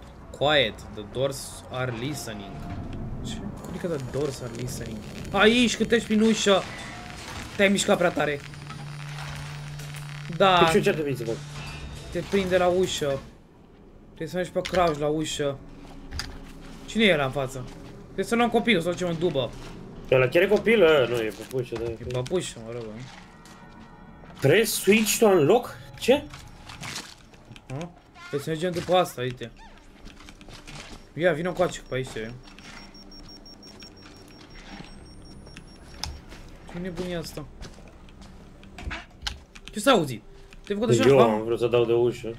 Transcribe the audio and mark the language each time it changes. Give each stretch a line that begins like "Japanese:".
English: Quiet, the doors are listening.
Romanian: Ce? Cum că
English: the doors are listening?
Romanian: Aici, când treci prin ușă, te-ai mișcat prea tare. Da. Ce ce trebuie să fac? Te prinde la ușă. Trebuie să mergi pe crouch la ușă. Cine e ăla în față? Trebuie să luăm copilul, să facem în dubă. Pe ăla chiar e copil? A, nu, e păpușă. Da, e păpușă, mă rog.
English: Press switch to unlock?
Romanian: Ce? Păi să mergem după asta, uite. Ia, vină cu aici, pe aici. Ce nebunie asta? Ce s-a auzit? Te-ai făcut așa? Eu am vrut să dau de ușă.